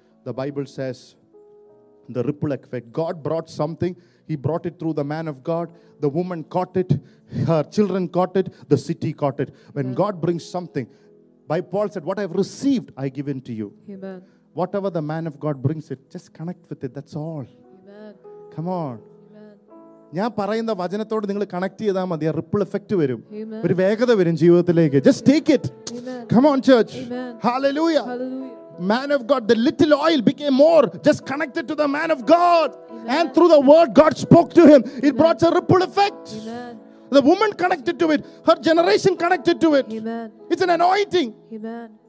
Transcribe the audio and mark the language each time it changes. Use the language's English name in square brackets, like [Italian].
[English] The Bible says, the ripple effect. God brought something. He brought it through the man of God. The woman caught it. Her children caught it. The city caught it. When Amen. God brings something, by Paul said, what I've received, I give into you. Amen. Whatever the man of God brings it, just connect with it. That's all. Amen. Come on. [Malayalam] ഞാൻ പറയുന്ന വചനത്തോട് നിങ്ങൾ connect ചെയ്താൽ മതി, ആ ripple effect വരും, ഒരു വേഗത വരും ജീവിതത്തിലേക്ക്. [English] Just take it. Come on, church. Hallelujah. Man of God, the little oil became more, just connected to the man of God. Amen. And through the word God spoke to him, it Amen. Brought a ripple effect. Amen. The woman connected to it, her generation connected to it. Amen. It's an anointing. Amen.